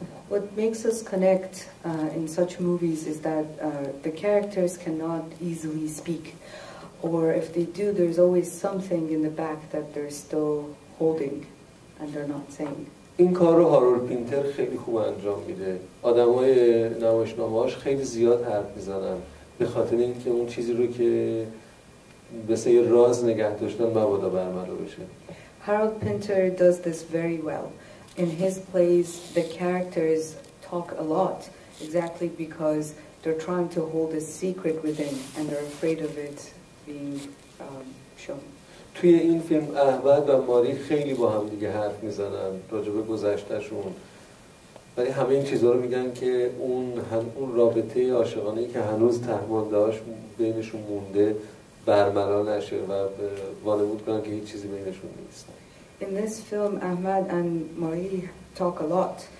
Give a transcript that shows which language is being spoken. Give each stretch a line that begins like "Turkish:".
English: What makes us connect in such movies is that the characters cannot easily speak, or if they do, there's always something in the back that they're still holding and they're not saying.
Persian: این کار رو هارولد پینتر خیلی خوب انجام میده. آدمای نمایشنامه‌هاش خیلی زیاد حرف میزنن به خاطر اینکه اون چیزی رو که به سه راز نگه داشتن مبادا برملا بشه.
English: Harold Pinter does this very well. In his plays, the characters talk a lot, exactly because they're trying to hold a secret within and they're afraid of it being shown.
Persian: توی این فیلم احمد و ماری خیلی با هم دیگه حرف میزنن راجع به گذشتهشون، ولی همه این چیزها رو میگن که اون رابطه عاشقانه که هنوز تهمانده‌هاش بینشون مونده برملا نشه و وانمود کنن که هیچ چیزی بینشون نیست.
English: In this film, Ahmad and Mari talk a lot.